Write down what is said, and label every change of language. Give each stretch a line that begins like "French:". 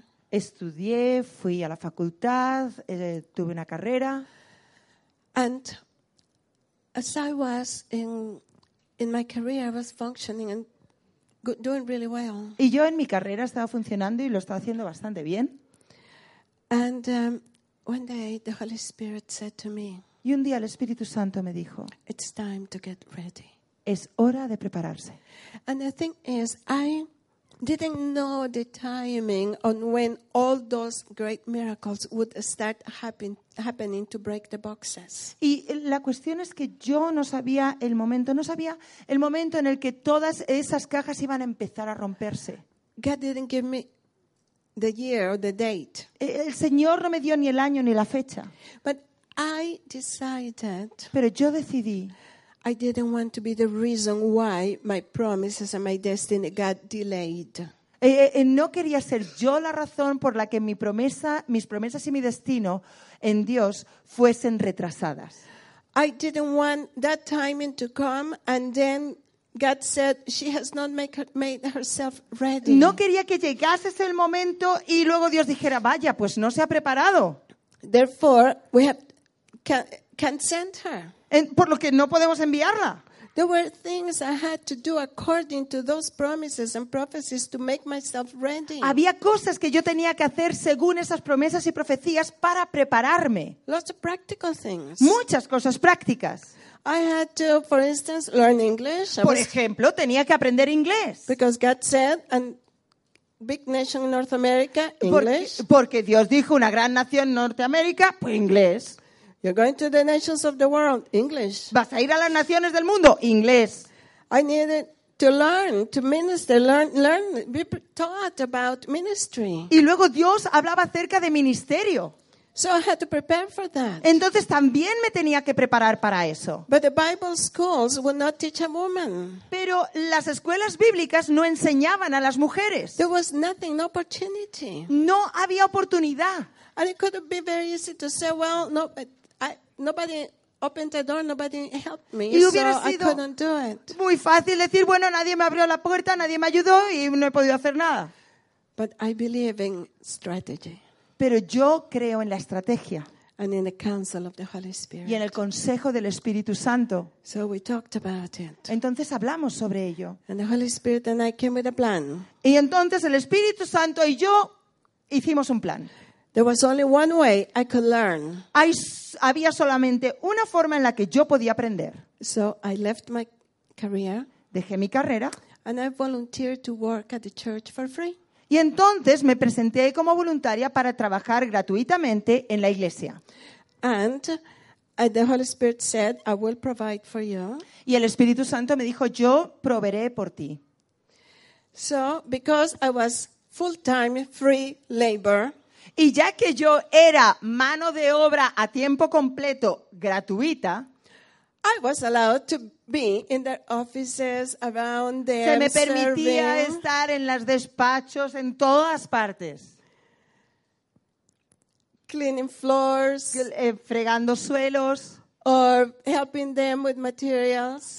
Spanish: Estudié, fui a la facultad, tuve una carrera.
English: And as I was in my career, I was functioning and doing really well.
Spanish: Y yo en mi carrera estaba funcionando y lo estaba haciendo bastante bien.
English: And one day the Holy Spirit said to me.
Spanish: Y un día el Espíritu Santo me dijo.
English: It's time to get ready.
Spanish: Es hora de prepararse.
English: And the thing is, I didn't know the timing on when all those great miracles would start happening to break the boxes.
Spanish: Y la cuestión es que yo no sabía el momento, no sabía el momento en el que todas esas cajas iban a empezar a romperse.
English: God didn't give me the year or the date.
Spanish: El Señor no me dio ni el año ni la fecha.
English: But I decided.
Spanish: Pero yo decidí.
English: I didn't want to be the reason why my promises and my destiny got delayed.
Spanish: No quería ser yo la razón por la que mi promesa, mis promesas y mi destino en Dios fuesen retrasadas.
English: I didn't want that timing to come and then God said she has not made herself ready.
Spanish: No quería que llegase ese momento y luego Dios dijera, "Vaya, pues no se ha preparado."
English: Therefore, we have can send her.
Spanish: Por lo que no podemos enviarla.
English: There were things I had to do according to those promises and prophecies to make myself ready.
Spanish: Había cosas que yo tenía que hacer según esas promesas y profecías para prepararme.
English: Lots of practical things.
Spanish: Muchas cosas prácticas.
English: I had to, for instance, learn English.
Spanish: Por ejemplo, tenía que aprender inglés.
English: Because God said and big nation in North America, English.
Spanish: Porque Dios dijo una gran nación en Norteamérica, pues inglés.
English: You're going to the nations of the world, English.
Spanish: Vas a ir a las naciones del mundo, inglés.
English: I needed to learn to minister, learn be taught about ministry.
Spanish: Y luego Dios hablaba acerca de ministerio.
English: So I had to prepare for that.
Spanish: Entonces también me tenía que preparar para eso.
English: But the Bible schools would not teach a woman.
Spanish: Pero las escuelas bíblicas no enseñaban a las mujeres.
English: There was nothing, no opportunity.
Spanish: No había oportunidad.
English: And it could be very easy to say, well, no, nobody opened the door, nobody helped me,
Spanish: y hubiera sido
English: so I couldn't do it.
Spanish: Muy fácil decir, bueno, nadie me abrió la puerta, nadie me ayudó y no he podido hacer nada.
English: But I believe in strategy.
Spanish: Pero yo creo en la estrategia.
English: And in the counsel of the Holy Spirit.
Spanish: Y en el consejo del Espíritu Santo.
English: So we talked about it.
Spanish: Entonces hablamos sobre ello.
English: And the Holy Spirit and I came with a plan.
Spanish: Y entonces el Espíritu Santo y yo hicimos un plan.
English: There was only one way I could learn.
Spanish: Había solamente una forma en la que yo podía aprender.
English: So I left my career.
Spanish: Dejé mi carrera.
English: And I volunteered to work at the church for free.
Spanish: Y entonces me presenté como voluntaria para trabajar gratuitamente en la iglesia.
English: And the Holy Spirit said, I will provide for you.
Spanish: Y el Espíritu Santo me dijo, yo proveeré por ti.
English: So because I was full-time free labor.
Spanish: Y ya que yo era mano de obra a tiempo completo gratuita,
English: I was allowed to be in their offices around them.
Spanish: Se me permitía
English: serving.
Spanish: Estar en los despachos en todas partes.
English: Cleaning floors,
Spanish: fregando suelos,
English: or helping them with materials,